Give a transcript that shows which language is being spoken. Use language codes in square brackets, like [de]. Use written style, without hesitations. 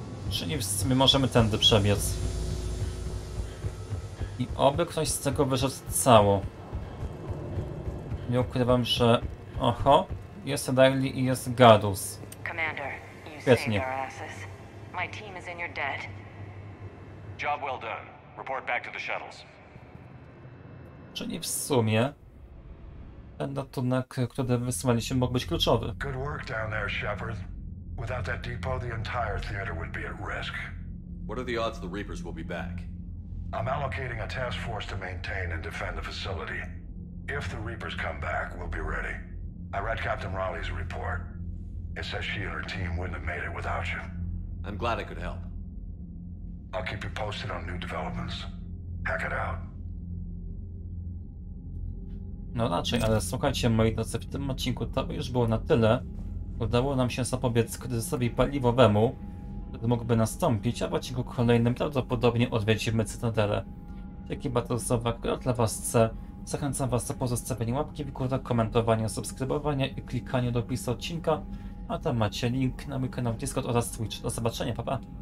[pl] Czyli my możemy tędy przebiec. I oby ktoś z tego wyszedł cało. Nie ukrywam, że... Oho, jest Riley i jest Gadus. [en] Commander, you saved our asses. My team is in your debt. Job well done. Report back to the shuttles. [pl] Czyli w sumie ten ratunek, który wysłaliśmy, mógł być kluczowy. [en] Good work down there, Shepard. Without that depot, the entire theater would be at risk. What are the odds the Reapers will be back? I'm allocating a task force to maintain and defend the facility. If the Reapers come back, we'll be ready. I read Captain Raleigh's report. It says she and her team wouldn't have made it without you. I'm glad I could help. I'll keep you posted on new developments. Hack it out. [pl] No raczej, ale słuchajcie moi drodzy, w tym odcinku to już było na tyle. Udało nam się zapobiec kryzysowi paliwowemu, który mógłby nastąpić, a w odcinku kolejnym prawdopodobnie odwiedzimy Cytadelę. Dzięki Batosowa, gra dla was C. Zachęcam was do pozostawienia łapki w górę, komentowania, subskrybowania i klikania do opisu odcinka, a tam macie link na mój kanał Discord oraz Twitch. Do zobaczenia, pa pa!